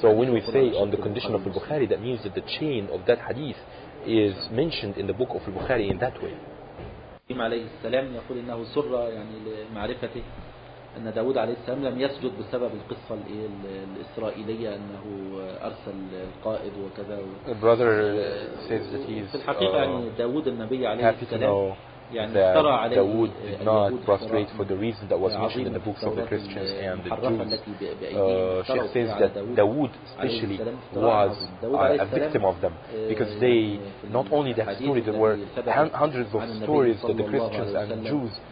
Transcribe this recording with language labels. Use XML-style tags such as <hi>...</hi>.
<en>So when we say on the condition of al-Bukhari, that means that the chain of that hadith is mentioned in the book of al-Bukhari in that way.</en> <ar>عليه السلام يقول إنه سر يعني لمعرفته أن داود عليه السلام لم يسجد بسبب القصة الإسرائيلية أنه أرسل القائد وكذا.</ar> <en>Brother says that he is</en> <ar>في الحقيقة يعني داود النبي عليه السلام يعني افترى عليه</ar> <en>داود did not prostrate for the reason that was mentioned in the books of the Christians and the Jews. Sheikh says that داود especially was a victim of them because they not only that story there were hundreds of stories that the Christians and Jews</en>